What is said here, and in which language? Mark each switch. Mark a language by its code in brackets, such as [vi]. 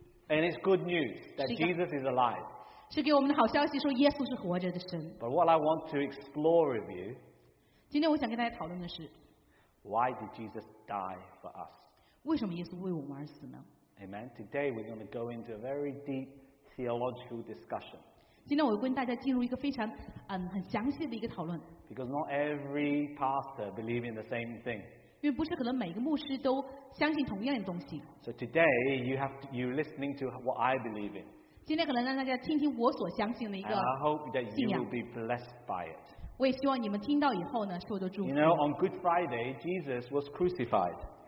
[en] And it's good news that Jesus is alive. [zh] 是给我们的好消息，说耶稣是活着的神。 [en] But what I want to explore with you. [zh] 今天我想跟大家讨论的是， [en] Why did Jesus die for us? [zh] 为什么耶稣为我们而死呢？ [en] Amen. Today we're going to go into a very deep theological discussion. [zh] 今天我会跟大家进入一个非常很详细的一个讨论。 [en] Because not every pastor believes in the same thing. [zh] 因为不是可能每个牧师都相信同样的东西。 [en] So today you're listening to what I believe in. [zh] 今天可能让大家听听我所相信的一个信仰。 [en] And I hope that you will be blessed by it. [zh] 我也希望你们听到以后呢，受到祝福。 [en] You know, on Good Friday, Jesus was crucified.